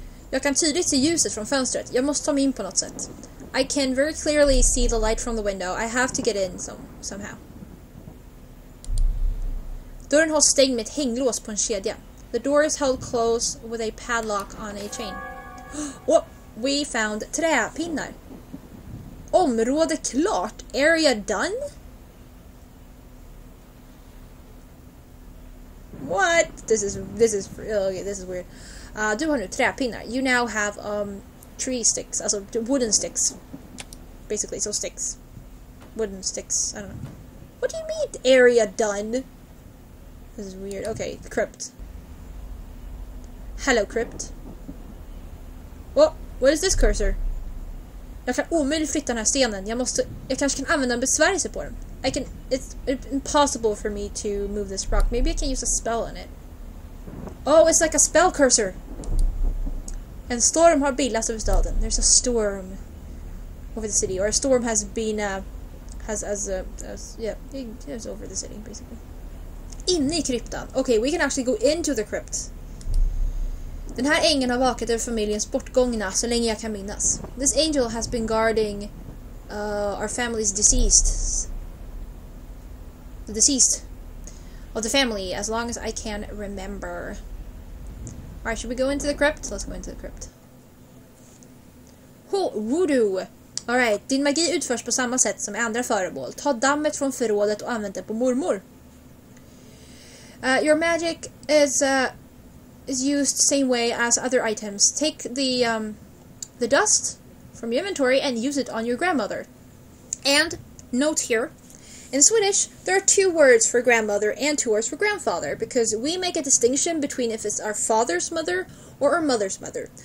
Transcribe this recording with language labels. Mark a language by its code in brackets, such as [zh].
[sv] Jag kan tydligt se ljuset från fönstret. Jag måste ta mig in på något sätt. [en] I can very clearly see the light from the window. I have to get in somehow. [sv] Dörren hålls stängd med ett hänglås på en kedja. [en] The door is held closed with a padlock on a chain. Oh, we found träpinnar. [sv] Område klart. [en] Area done? What? This is weird. [sv] Du har nu träpinnar. [en] You now have tree sticks. Alltså wooden sticks. Basically, so sticks. Wooden sticks. I don't know. What do you mean, area done? This is weird. Okay, crypt. Hello, crypt. Oh, what is this cursor? [sv] Jag kan omöjligt flytta den här stenen. Jag kanske kan använda en besvärjelse på den. [en] It's impossible for me to move this rock. Maybe I can use a spell on it. Oh, it's like a spell cursor. [sv] En storm har bildats över staden. [en] There's a storm over the city. Or a storm has been, it's over the city, basically. [sv] Inne I kryptan. [en] Okay, we can actually go into the crypt. [sv] Den här ängeln har vakat över familjens bortgångna så länge jag kan minnas. [en] This angel has been guarding our family's deceased. The deceased of the family, as long as I can remember. Alright, should we go into the crypt? Let's go into the crypt. Voodoo! [sv] Alright, din magi utförs på samma sätt som andra föremål. Ta dammet från förrådet och använd det på mormor. [en] Your magic is used same way as other items. Take the dust from your inventory and use it on your grandmother. And, note here, in Swedish, there are two words for grandmother and two words for grandfather, because we make a distinction between if it's our father's mother or our mother's mother.